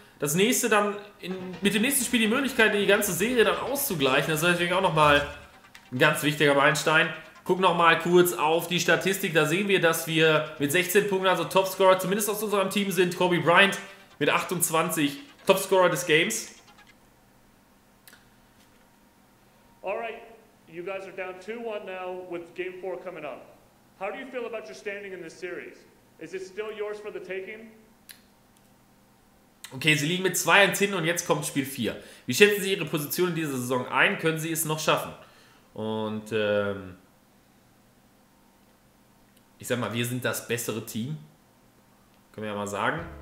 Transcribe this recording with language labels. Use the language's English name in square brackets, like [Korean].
[German] Das nächste dann, mit dem nächsten Spiel die Möglichkeit, die ganze Serie dann auszugleichen. Das ist natürlich auch nochmal ein ganz wichtiger Meilenstein. Guck nochmal kurz auf die Statistik, da sehen wir, dass wir mit 16 Punkten, also Topscorer zumindest aus unserem Team sind, Kobe Bryant mit 28, Topscorer des Games. [English] Alright, you guys are down 2-1 now with Game 4 coming up. How do you feel about your standing in this series? Is it still yours for the taking? [German] Okay, sie liegen mit 2-10 und jetzt kommt Spiel 4. Wie schätzen Sie Ihre Position in dieser Saison ein? Können Sie es noch schaffen? Und ich sag mal, wir sind das bessere Team. Können wir ja mal sagen.